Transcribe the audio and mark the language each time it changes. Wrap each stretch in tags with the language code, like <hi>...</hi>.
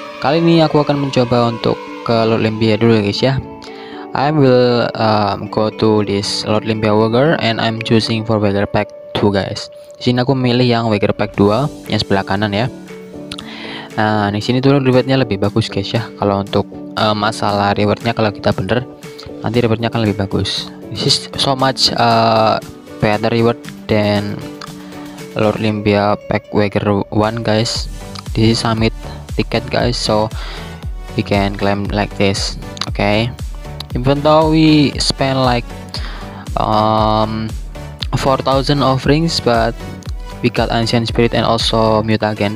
<id>Kali ini aku akan mencoba untuk ke Olympia dulu guys ya.</id> <en>I will go to this Olympia Wager and I'm choosing for Wager Pack 2 guys.</en> <id>Di sini aku milih yang Wager Pack 2 yang sebelah kanan ya. Nah, di sini tuh rewardnya lebih bagus guys ya. Kalau untuk masalah rewardnya kalau kita bener, nanti rewardnya akan lebih bagus.</id> <en>This is so much better reward than Olympia Pack Wager 1 guys. This is summit ticket guys, so we can claim like this. Okay, even though we spend like 4000 offerings, but we got ancient spirit and also mutagen.</en>